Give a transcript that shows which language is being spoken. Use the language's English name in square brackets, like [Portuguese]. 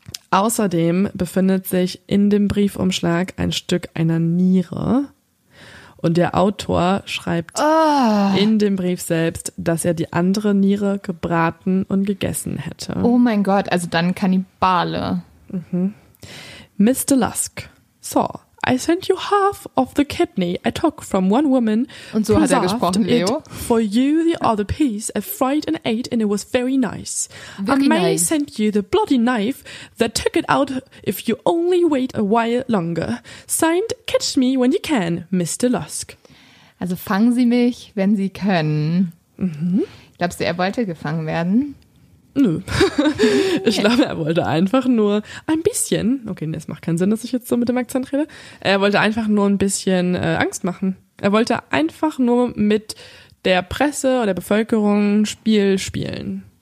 [German] Außerdem befindet sich in dem Briefumschlag ein Stück einer Niere. Und der Autor schreibt in dem Brief selbst, dass er die andere Niere gebraten und gegessen hätte. Oh mein Gott, also dann Kannibale. [English] Mhm. Mr. Lusk, so, I sent you half of the kidney I took from one woman. [German] Und so hat er gesprochen, Leo. [English] It for you the other piece, I fried and ate and it was very nice. Very I may nice. Send you the bloody knife that took it out if you only wait a while longer. Signed, catch me when you can, Mr. Lusk. [German] Also fangen Sie mich, wenn Sie können. Mhm. Glaubst du, er wollte gefangen werden? Nö. Ich glaube, er wollte einfach nur ein bisschen, okay, es macht keinen Sinn, dass ich jetzt so mit dem Akzent rede, er wollte einfach nur ein bisschen Angst machen. Er wollte einfach nur mit der Presse oder der Bevölkerung ein Spiel spielen.